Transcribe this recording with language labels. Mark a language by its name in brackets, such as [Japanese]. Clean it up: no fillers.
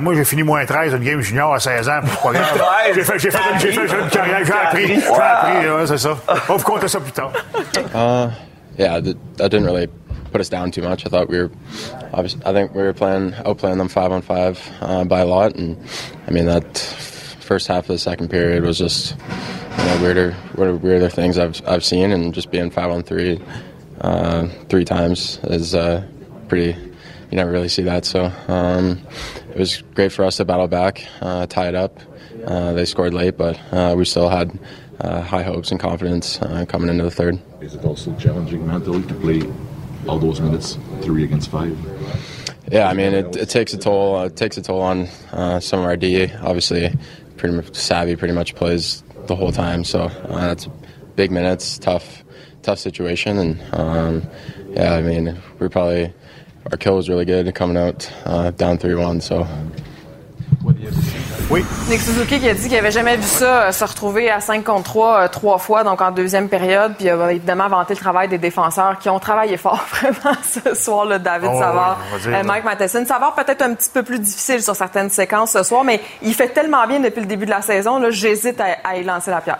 [French] Moi, j'ai fini moins 13 une game junior à 16 ans. C'est pas grave. J'ai fait une carrière, j'ai appris, c'est ça. On vous compte ça plus tard. [English] That didn't really put us down too much. I thought we were, obviously, I think we were playing, outplaying them 5-on-5 by a lot. And I mean, that. First half of the second period was just weirder things I've seen, and just being 5-on-3 three times is pretty, you never really see that. So it was great for us to battle back, tie it up. They scored late, but we still had high hopes and confidence coming into the third. Is it also challenging mentally to play all those minutes 3-on-5? Yeah, I mean it takes a toll. It takes a toll on some of our D, obviously. Pretty much savvy, pretty much plays the whole time. So that's big minutes, tough situation. And our kill was really good coming out down 3-1. So. [French] Oui. Nick Suzuki qui a dit qu'il n'avait jamais vu ça se retrouver à 5 contre 3 trois fois, donc en deuxième période. Puis il a évidemment vanté le travail des défenseurs qui ont travaillé fort vraiment ce soir, là, David Savard, Mike Matheson. Savard peut-être un petit peu plus difficile sur certaines séquences ce soir, mais il fait tellement bien depuis le début de la saison, là, j'hésite à y lancer la pierre.